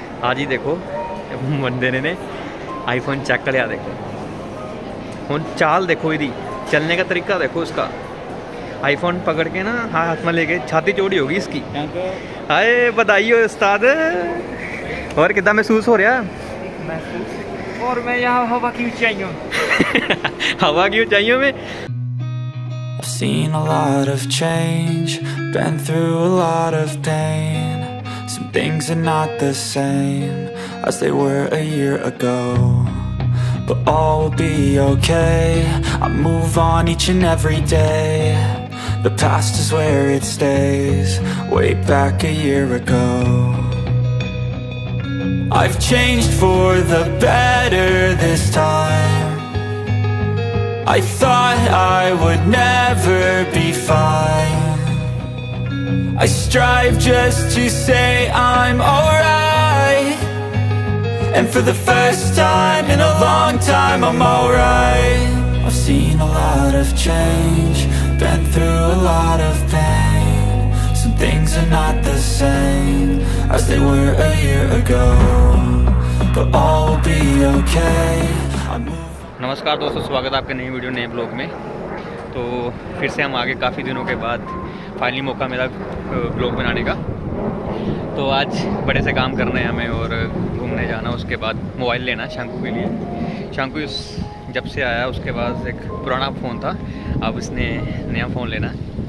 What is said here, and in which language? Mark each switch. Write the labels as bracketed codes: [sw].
[hi] आज ही देखो बंदे ने आईफोन चेक कर लिया, देखो फोन चाल देखो, यदि चलने का तरीका देखो उसका, आईफोन पकड़ के ना हाथ हाथ में लेके छाती चोड़ी होगी इसकी। हाय बधाई हो उस्ताद, और कितना महसूस हो रहा है? और मैं यहाँ हवा की ऊंचाइयों हवा की ऊंचाइयों में। [en] I've seen a lot of change, been through a lot of pain, some things are not the same as they were a year ago, but all will be okay, I move on each and every day. The past is where it stays, way back a year ago. I've changed for the better this time. I thought I would never be fine. I strive just to say I'm alright. And for the first time in a long time, I'm alright. I've seen a lot of change, been through a lot of pain. Some things are not the same as they were a year ago, but all will be okay. [hi] नमस्कार दोस्तों, स्वागत है आपके नए video नए blog में। तो फिर से हम आगे, काफ़ी दिनों के बाद फाइनली मौका मिला ब्लॉग बनाने का, तो आज बड़े से काम करने हैं हमें और घूमने जाना, उसके बाद मोबाइल लेना शंकु के लिए। शंकु जब से आया उसके बाद एक पुराना फ़ोन था, अब उसने नया फ़ोन लेना है।